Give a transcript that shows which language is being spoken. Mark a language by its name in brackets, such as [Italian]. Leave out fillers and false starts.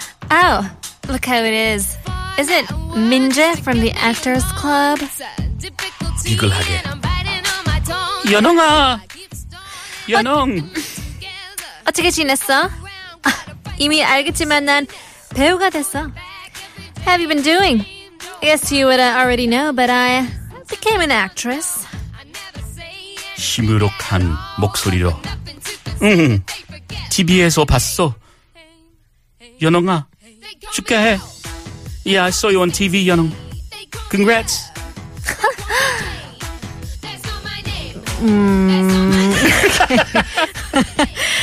[English] Oh, look how it is. Is it Minjae from the Actors Club? [Korean] 비글하게 연홍아 연홍 어떻게 지냈어? 이미 알겠지만 난 배우가 됐어. [English] How have you been doing? I guess you would already know, but I became an actress. [Korean] 시무룩한 목소리로 응 TV에서 봤어. 연홍아 축하해. [English] Yeah, I saw you on TV, 연홍. Congrats. Okay.